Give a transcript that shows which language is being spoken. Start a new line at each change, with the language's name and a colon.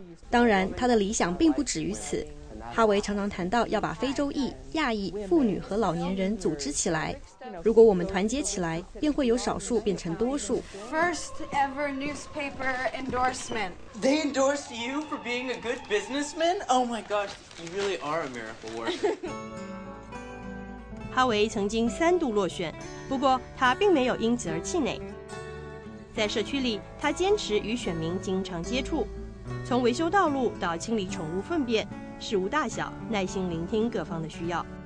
Chinese: 当然，他的理想并不止于此。哈维常常谈到要把非洲裔、亚裔、妇女和老年人组织起来。如果我们团结起来，便会有少数变成多数。
English: First ever newspaper endorsement. They endorsed you for being a good businessman? Oh my gosh, you really are a miracle worker.
Chinese: 哈维曾经三度落选，不过他并没有因此而气馁。在社区里，他坚持与选民经常接触。从维修道路到清理宠物粪便，事无大小，耐心聆听各方的需要。